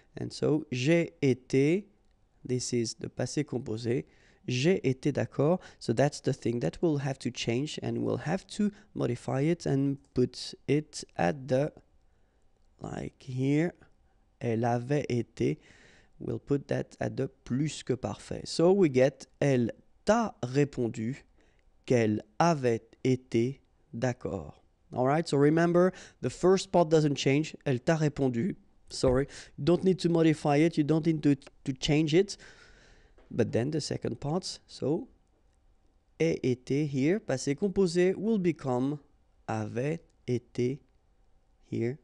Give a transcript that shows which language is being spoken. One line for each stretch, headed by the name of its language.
English: And so,
French: j'ai été,
English: this is the passé composé.
French: J'ai été d'accord.
English: So that's the thing that we'll have to change and we'll have to modify it and put it at the, like here,
French: elle avait été.
English: We'll put that at the plus que parfait. So we get,
French: elle t'a répondu qu'elle avait été d'accord.
English: All right, so remember, the first part doesn't change.
French: Elle t'a répondu.
English: Sorry, don't need to modify it, you don't need to change it. But then the second part, so,
French: ait été
English: here, passé composé will become
French: avait été
English: here.